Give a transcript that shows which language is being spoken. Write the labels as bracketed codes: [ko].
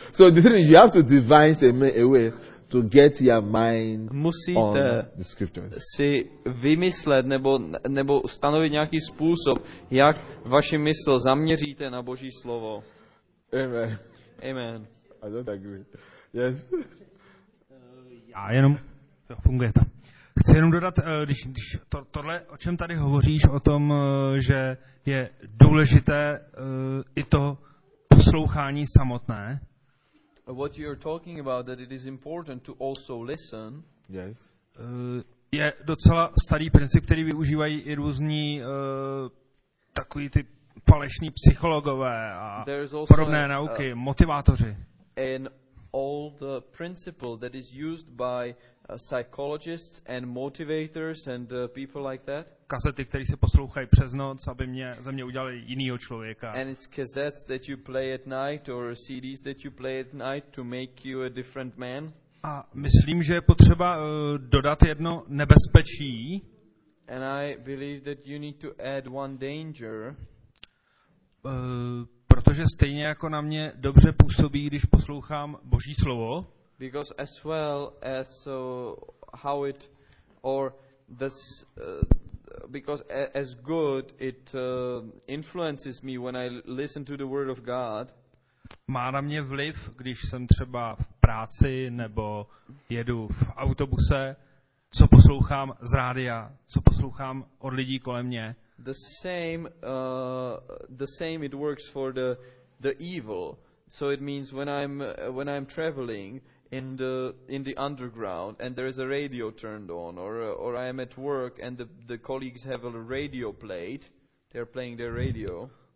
[en] So the thing is, you have to devise a way to get your mind [cs] musíte [en] on the scriptures. [cs] Si vymyslet nebo stanovit nějaký způsob, jak vaši mysl zaměříte na Boží slovo. Amen. Amen. [en] I don't agree. Yes. [cs] Já jenom, jo, funguje to. Chci jenom dodat, když tohle, o čem tady hovoříš, o tom, že je důležité i to poslouchání samotné, [en] what you're talking about, that it is important to also listen. Yes. [cs] Je docela starý princip, který využívají i různí takový ty falešní psychologové a podobné nauky, motivátoři. [en] An old principle that is used by psychologists and motivators and people like that. [cs] Kasety, které se poslouchají přes noc, aby ze mě udělali jinýho člověka. [en] And it's cassettes that you play at night or CDs that you play at night to make you a different man. [cs] A myslím, že je potřeba dodat jedno nebezpečí. [en] And I believe that you need to add one danger. [cs] Protože stejně jako na mě dobře působí, když poslouchám Boží slovo. [en] Because as well as how it or this because as good it influences me when I listen to the word of God. [cs] Má na mě vliv, když jsem třeba v práci nebo jedu v autobuse, co poslouchám z rádia, co poslouchám od lidí kolem mě. [en] The same it works for the evil. So it means when I'm traveling in the underground and there is a radio turned on or I am at work and the colleagues have a radio played, they are playing their radio.